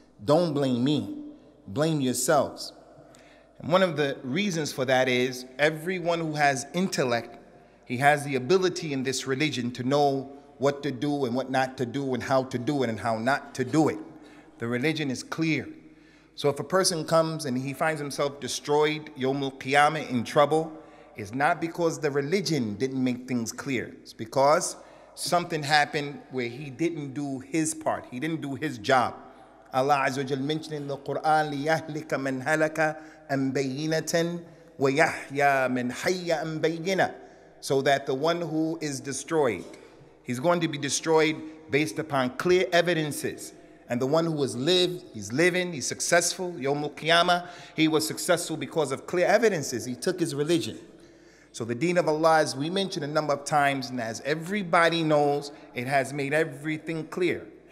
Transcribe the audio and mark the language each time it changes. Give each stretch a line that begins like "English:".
English: Don't blame me, blame yourselves. And one of the reasons for that is, everyone who has intellect, he has the ability in this religion to know what to do and what not to do and how to do it and how not to do it. The religion is clear. So if a person comes and he finds himself destroyed, Yawm al-Qiyamah, in trouble, it's not because the religion didn't make things clear. It's because something happened where he didn't do his part. He didn't do his job. Allah Azza wa Jalla mentioned in the Quran,
Arabic: لِيَهْلِكَ مَنْ هَلَكَ أَمْ بَيِّنَةً
English: وَيَحْيَى مَنْ حَيَّ أَمْ بَيِّنَةً. So that the one who is destroyed, he's going to be destroyed based upon clear evidences. And the one who has lived, he's living, he's successful. Yawm al-Qiyamah, he was successful because of clear evidences. He took his religion. So the deen of Allah, as we mentioned a number of times, and as everybody knows, it has made everything clear.